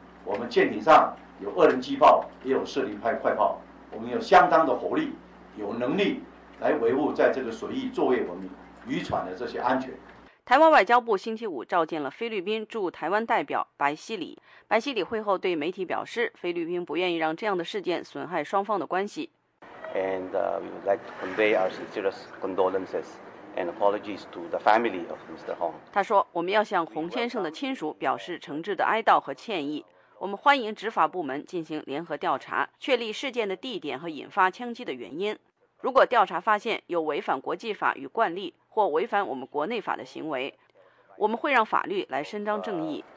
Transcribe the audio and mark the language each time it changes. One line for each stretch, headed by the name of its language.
Chinese: 我们舰艇上有二人机炮，也有射零派快炮，我们有相当的火力，有能力来维护在这个水域作为我们渔船的这些安全。台湾外交部星期五召见了菲律宾驻台湾代表白希里。白希里会后对媒体表示，菲律宾不愿意让这样的事件损害双方的关系。
English: And we would like to convey our sincerest condolences and apologies to the family of Mr. Hong.
Chinese: 他说，我们要向洪先生的亲属表示诚挚的哀悼和歉意。我们欢迎执法部门进行联合调查，确立事件的地点和引发枪击的原因。如果调查发现有违反国际法与惯例或违反我们国内法的行为，我们会让法律来伸张正义。